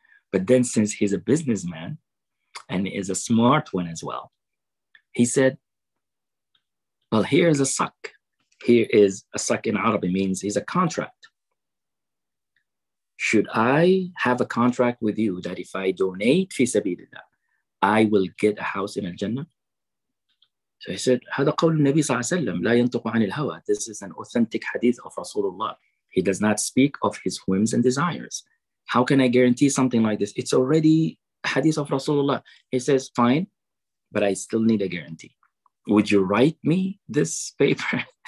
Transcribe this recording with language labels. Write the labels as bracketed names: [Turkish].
[English] But then since he's a businessman and is a smart one as well, he said, well, here is a suck. Here is a suck in Arabic, means he's a contract. Should I have a contract with you that if I donate fi sabilillah, I will get a house in al-Jannah? So he said, [Arabic] هذا قول النبي صلى الله عليه وسلم لا ينطق عن الهوى. [English] This is an authentic hadith of Rasulullah. He does not speak of his whims and desires. How can I guarantee something like this? It's already hadith of Rasulullah. He says, fine, but I still need a guarantee. Would you write me this paper?